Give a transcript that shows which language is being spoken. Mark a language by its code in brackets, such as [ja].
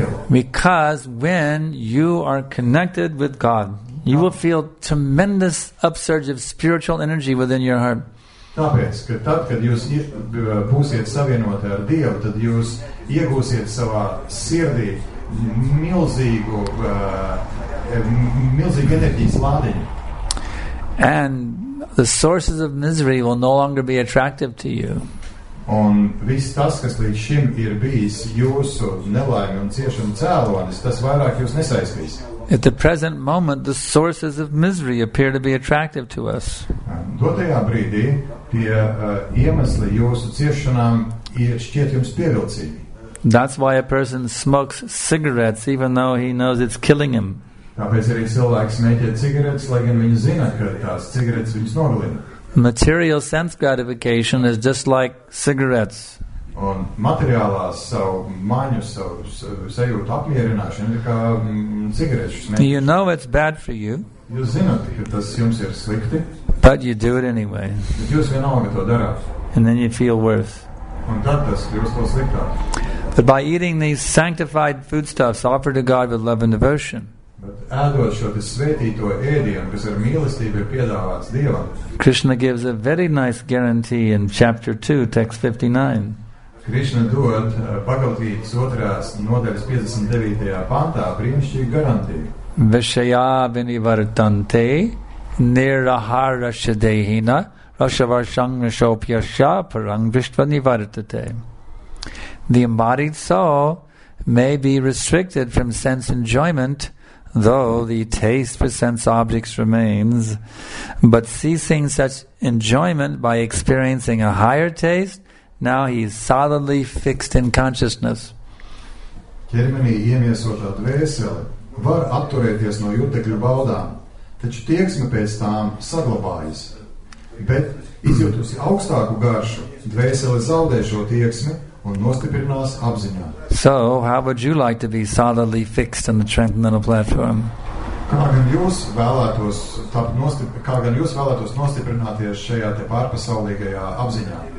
[en] Because when you are connected with God, you will feel tremendous upsurge of spiritual energy within your heart. [lv] Tāpēc, ka tad, kad jūs būsiet savienoti ar Dievu, tad jūs iegūsiet savā sirdī milzīgu enerģijas lādiņu. [en] And the sources of misery will no longer be attractive to you. [lv] Un viss tas, kas līdz šim ir bijis jūsu nelaimi un ciešanu cēlonis, tas vairāk jūs nesaistīs. [en] At the present moment, the sources of misery appear to be attractive to us. [lv] Dotajā brīdī tie iemesli jūsu ciešanām ir šķiet jums pievilcīgi. [en] That's why a person smokes cigarettes, even though he knows it's killing him. [lv] Tāpēc arī cilvēks smēķē cigaretes, lai gan viņi zina, ka tās cigaretes viņus nogalina. [en] Material sense gratification is just like cigarettes. [lv] Un materiālās savu maņu, savu sajūtu apmierināšanu ir kā cigaretes. [en] You know it's bad for you. [lv] Jūs zināt, ka tas jums ir slikti. [en] But you do it anyway. [lv] Bet jūs vienalga to darāt. [en] And then you feel worse. [lv] Un tad tas kļūst vēl sliktāk. [en] But by eating these sanctified foodstuffs offered to God with love and devotion, [lv] ēdot šo svētīto ēdienu, kas ar mīlestību ir piedāvāts Dievam. [en] Krishna gives a very nice guarantee in chapter 2, text 59. [lv] Krishna dod Bhagavad Gītas 2. Nodaļas 59. Pantā brīnišķīgu garantiju. [sa] Vishayā vinivartante nirahārashadehina rashavarshangrishopyasya parangvishtvanivartate. [en] The embodied soul may be restricted from sense enjoyment, though the taste for sense objects remains, but ceasing such enjoyment by experiencing a higher taste, now he is solidly fixed in consciousness. [lv] Ķermenī iemiesotā dvēsele var atturēties no jūtekļu baudām, taču tieksme pēc tām saglabājas. Bet izjūtusi augstāku garšu, dvēsele zaudē šo tieksmi un nostiprinās apziņā. [en] So, how would you like to be solidly fixed on the transcendental platform? [lv] Kā gan jūs vēlētos nostiprināties šajā te pārpasaulīgajā apziņā?